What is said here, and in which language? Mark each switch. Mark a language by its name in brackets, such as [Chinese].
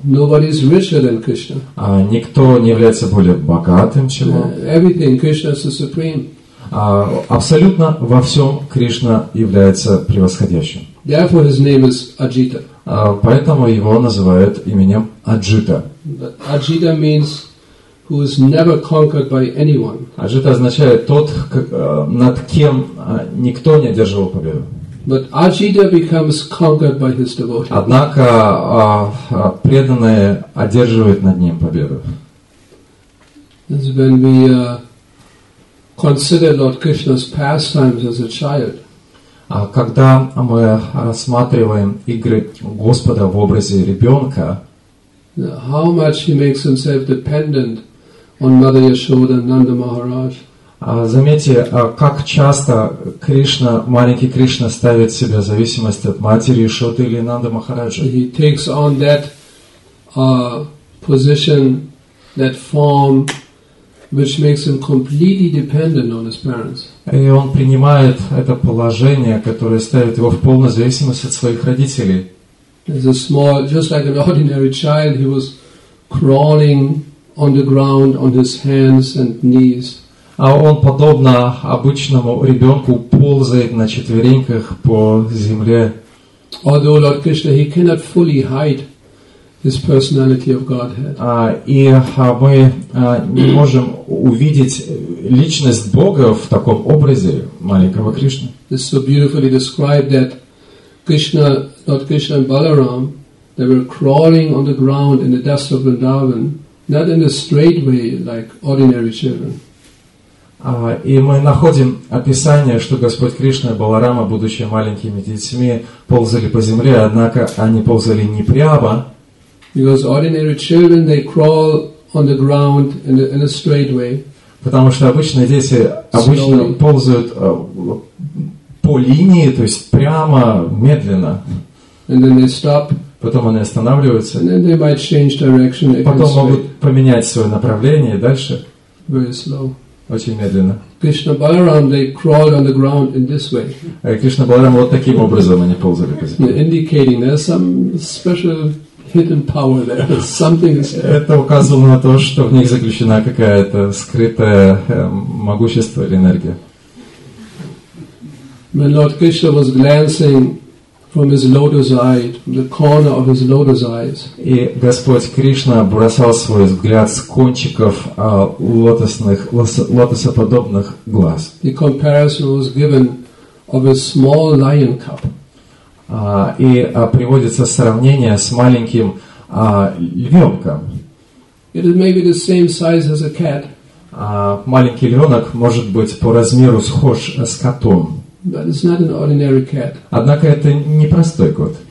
[English] Nobody is richer than Krishna. [Russian] Никто не является более богатым, чем он. [English] Everything Krishna is the supreme. [Russian] Абсолютно во всем Кришна является превосходящим. [English] Therefore his name is Ajita. [Russian] Поэтому его называют именем Аджита. [English] Ajita means who is never conquered by anyone. [Russian] Аджита означает тот, над кем никто не одерживал победу. [English] But Ajita becomes conquered by his devotee. [Russian] Однако преданные одерживают над ним победу. [English] That's when we consider Lord Krishna's pastimes as a child. [Russian] Когда мы рассматриваем игры Господа в образе ребенка, [English] how much he makes himself dependent on Mother Yashoda and Nanda Maharaj. [Russian] Заметьте, как часто Кришна, маленький Кришна, ставит себя в зависимость от матери Ишоды или Нанды Махараджи. [English] He takes on that position, that form, which makes him completely dependent on his parents. [Russian] И он принимает это положение, которое ставит его в полную зависимость от своих родителей. [English] As a small, just like an ordinary child, he was crawling on the ground on his hands and knees. [Russian] А он подобно обычному ребенку ползает на четвереньках по земле. [English] Although Lord Krishna, he cannot fully hide his personality of Godhead. [Russian] И мы не можем увидеть личность Бога в таком образе маленького Кришны. [English] It's so beautifully described that Krishna, Lord Krishna and Balaram, they were crawling on the ground in the dust of Vrindavan, not in a straight way like ordinary children. [Russian] И мы находим описание, что Господь Кришна и Баларама, будучи маленькими детьми, ползали по земле, однако они ползали не прямо. [English] Because ordinary children, they crawl on the ground in a straight way. [Russian] Потому что обычные дети обычно ползают по линии, то есть прямо, медленно. [English] And then they stop. [Russian] Потом они останавливаются. [English] And then they might change direction. [Russian] Потом могут поменять свое направление и дальше. [English] Very slow. [Russian] Очень медленно. [English] Krishna Balaram, they crawled on the ground in this way. [Russian] Krishna Balaram, вот таким образом они ползали по земле. [English] Indicating there's some special hidden power there. Something is there. [Russian] Это указывало на то, что в них заключена какая-то скрытая могущество или энергия. [English] When Lord Krishna was glancing from his lotus eye, from the corner of his lotus eyes. [Russian] И Господь Кришна бросал свой взгляд с кончиков лотосоподобных глаз. [English] The comparison was given of a small lion cub. [Russian] Приводится сравнение с маленьким львенком. [English] It is maybe the same size as a cat. [Russian] Маленький львенок может быть по размеру схож с котом. [English] But it's not an ordinary cat. [Russian] Однако это не простой кот.